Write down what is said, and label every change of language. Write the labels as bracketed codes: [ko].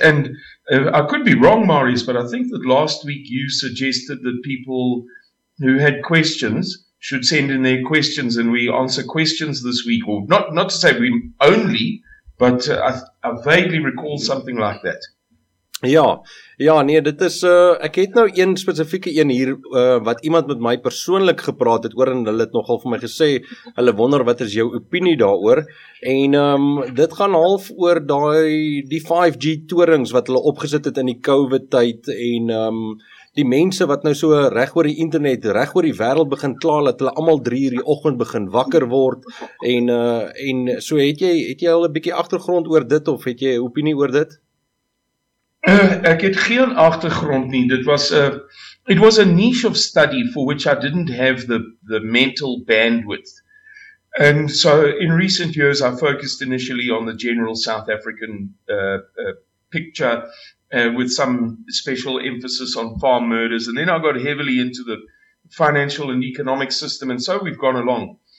[en] And I could be wrong, Marius, but I think that last week you suggested that people who had questions should send in their questions, and we answer questions this week. Or not to say we only, but I vaguely recall something like that. [af] Ja, nee, dit is, ek het nou een spesifieke een hier, wat iemand met my persoonlik gepraat het oor, en hulle het nogal vir my gesê, hulle wonder wat is jou opinie daaroor, en dit gaan half oor die 5G torings wat hulle opgesit het in die COVID tyd, en die mense wat nou so reg oor die internet, reg oor die wêreld begin kla, dat hulle allemaal 3:00 die oggend begin wakker word, en so het jy al 'n bietjie agtergrond oor dit, of het jy 'n opinie oor dit? Ek het geen agtergrond nie. [en] It was a niche of study for which I didn't have the mental bandwidth. And so in recent years I focused initially on the general South African picture with some special emphasis on farm murders, and then I got heavily into the financial and economic system, and so we've gone along.